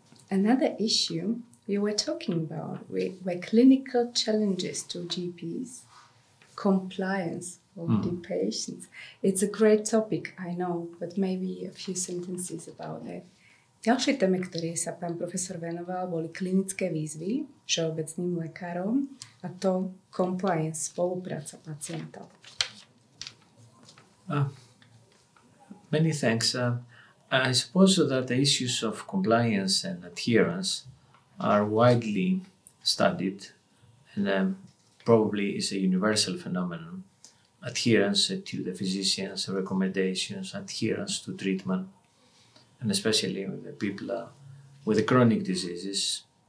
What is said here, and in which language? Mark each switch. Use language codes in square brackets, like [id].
[en] Another issue you were talking about were clinical challenges to GPs, compliance of the patients. It's a great topic, I know, but maybe a few sentences about it. [sk] Ďalšie témy, ktoré sa pán profesor venoval, boli klinické výzvy všeobecným lekárom a to compliance, spolupráca pacientov. [en] Many thanks. I suppose that the issues of compliance and adherence are widely studied and probably is a universal phenomenon. Adherence to the physician's recommendations, adherence to treatment, and especially with the people with the chronic diseases.